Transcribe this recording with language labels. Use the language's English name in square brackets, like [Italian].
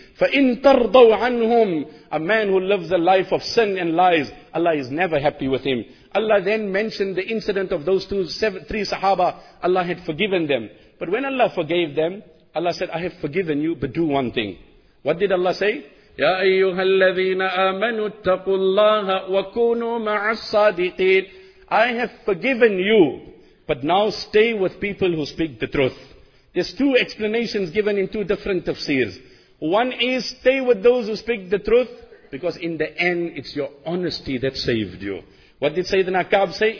[Arabic] فَإِن تَرْضَوْ عَنْهُمْ. [English] A man who lives a life of sin and lies, Allah is never happy with him. Allah then mentioned the incident of those 3 Sahaba. Allah had forgiven them. But when Allah forgave them, Allah said, "I have forgiven you, but do one thing." What did Allah say? [Arabic] يا أيها الذين آمنوا اتقوا الله وكونوا مع الصادقين. [English] I have forgiven you, but now stay with people who speak the truth. There's two explanations given in two different tafsirs. One is stay with those who speak the truth, because in the end it's your honesty that saved you. What did Sayyidina Ka'b say?